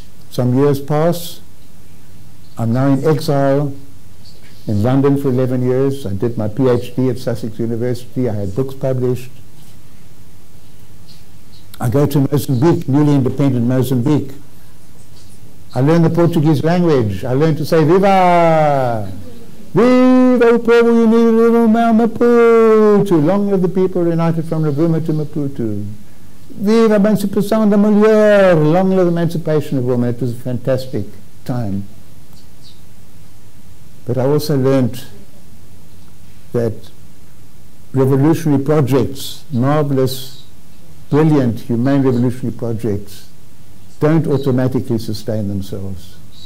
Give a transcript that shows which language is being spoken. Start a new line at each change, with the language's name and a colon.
English: Some years pass. I'm now in exile in London for 11 years. I did my PhD at Sussex University. I had books published. I go to Mozambique, newly independent Mozambique. I learn the Portuguese language. I learn to say viva!
Portuguese: Viva o povo unido ao Maputo!
English: Long live the people united from Rovuma to Maputo.
Portuguese: Viva emancipação da mulher!
English: Long live emancipation of women. It was a fantastic time. But I also learned that revolutionary projects, marvelous, brilliant, humane revolutionary projects, don't automatically sustain themselves.